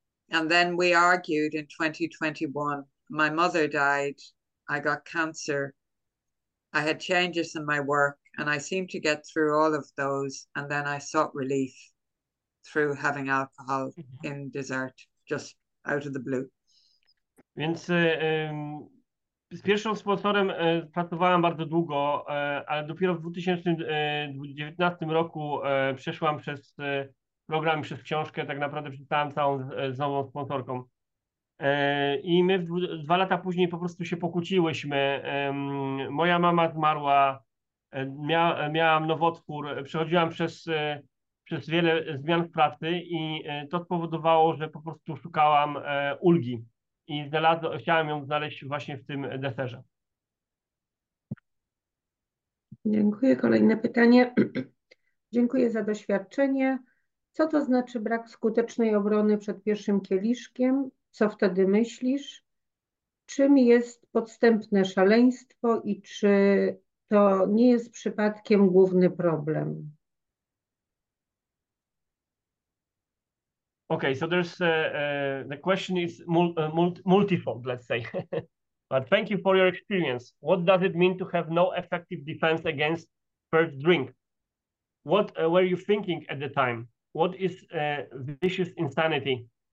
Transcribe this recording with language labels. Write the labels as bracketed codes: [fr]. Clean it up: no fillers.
[en] And then we argued in 2021. My mother died. I got cancer. I had changes in my work, and I seemed to get through all of those. And then I sought relief through having alcohol in dessert, just out of the blue. [pl] Vince, z pierwszym sponsorem pracowałem bardzo długo, ale dopiero w 2019 roku przeszłam przez program, przez książkę, tak naprawdę przeczytałam całą z nową sponsorką. I my dwa lata później po prostu się pokłóciłyśmy. Moja mama zmarła, miałam nowotwór, przechodziłam przez przez wiele zmian w pracy i to spowodowało, że po prostu szukałam ulgi i chciałam ją znaleźć właśnie w tym deserze. Dziękuję. Kolejne pytanie. Dziękuję za doświadczenie. Co to znaczy brak skutecznej obrony przed pierwszym kieliszkiem? Co wtedy myślisz? Czym jest podstępne szaleństwo i czy to nie jest przypadkiem główny problem? [en] Okay, so there's the question is multifold, let's say. But thank you for your experience. What does it mean to have no effective defense against first drink? What were you thinking at the time? What is vicious insanity?